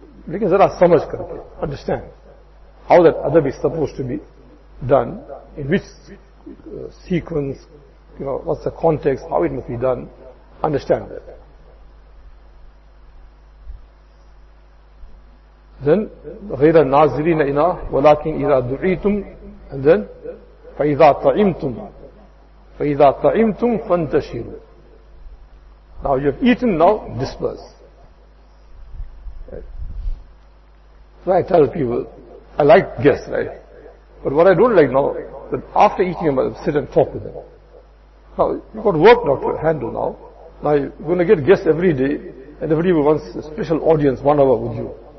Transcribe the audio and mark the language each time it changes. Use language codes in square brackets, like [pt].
[en] Because there are so much karke. Understand how that adab is supposed to be done, in which sequence, you know, what's the context, how it must be done, understand that. Then, [ar] غَيْرَ النَّازِرِينَ إِنَا وَلَكِنْ إِذَا دُعِيتُمْ. [en] And then, [ar] فَإِذَا طَعِمْتُمْ. فَإِذَا طَعِمْتُمْ فَانْتَشِرُوا. [en] Now you have eaten, now disperse. So I tell people, I like guests, right? But what I don't like now, that after eating, I sit and talk with them. Now, you've got work now to handle now. Now, you're going to get guests every day, and everybody wants a special audience, 1 hour with you.